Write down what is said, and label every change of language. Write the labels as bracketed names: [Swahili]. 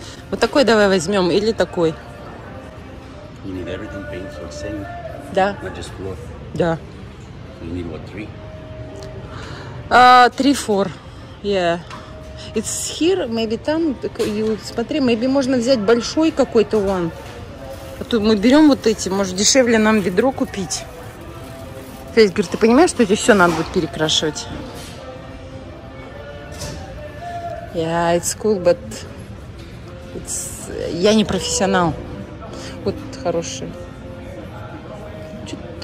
[Russian] Вот такой давай возьмем или такой. [English] You need everything paint, so it's same. [Russian] Да. [English] Not just floor. [Russian] Да. [English] You need what, three? Three, four. Yeah. It's here, maybe там. [Russian] Смотри, maybe можно взять большой какой-то one. А тут мы берем вот эти, может, дешевле нам ведро купить. Федь говорит, ты понимаешь, что эти все надо будет перекрашивать? [English] Yeah, it's cool, but it's... [Russian] я не профессионал. Вот хороший. Чё...